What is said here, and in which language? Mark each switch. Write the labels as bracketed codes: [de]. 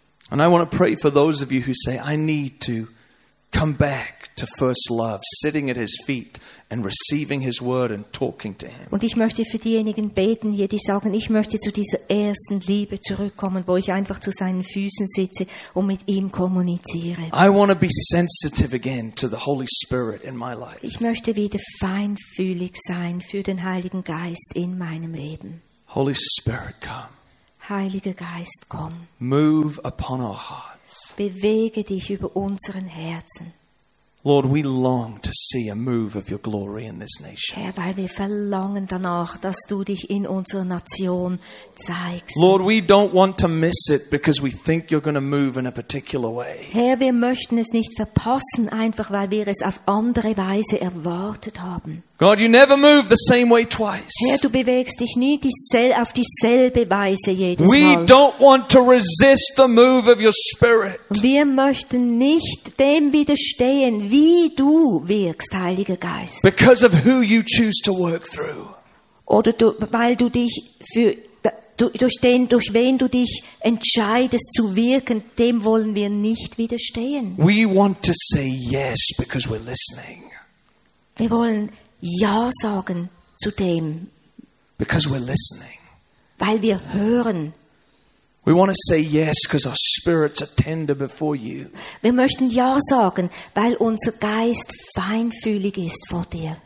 [en] And I want to pray for those of you who say, I need to come back to first love, sitting at his feet and receiving his word and talking to him. [de] Und ich möchte für diejenigen beten hier, die sagen, ich möchte zu dieser ersten Liebe zurückkommen, wo ich einfach zu seinen Füßen sitze und mit ihm kommuniziere. [en] I want to be sensitive again to the Holy Spirit in my life. [de] Ich möchte wieder feinfühlig sein für den Heiligen Geist in meinem Leben. [en] Holy Spirit, come. [de] Heiliger Geist, komm. [en] Move upon our hearts. [de] Bewege dich über unseren Herzen. [en] Lord, we long to see a move of your glory in this nation. [de] Herr, weil wir verlangen danach, dass du dich in unserer Nation zeigst. [en] Lord, we don't want to miss it because we think you're going to move in a particular way. [de] Herr, wir möchten es nicht verpassen, einfach weil wir es auf andere Weise erwartet haben. [en] God, you never move the same way twice. [de] Herr, du bewegst dich nie auf dieselbe Weise jedes Mal. [en] We don't want to resist the move of your Spirit. [de] Wir möchten nicht dem widerstehen, wie du wirkst, Heiliger Geist. [en] Because of who you choose to work through. [de] Oder weil du dich durch wen du dich entscheidest zu wirken, dem wollen wir nicht widerstehen. [en] We want to say yes because we're listening. [de] Wir wollen ja sagen zu dem. [en] Because we're listening. [de] Weil wir hören. [en] We want to say yes because our spirits are tender before you. [de] Wir möchten ja sagen, weil unser Geist feinfühlig ist vor dir.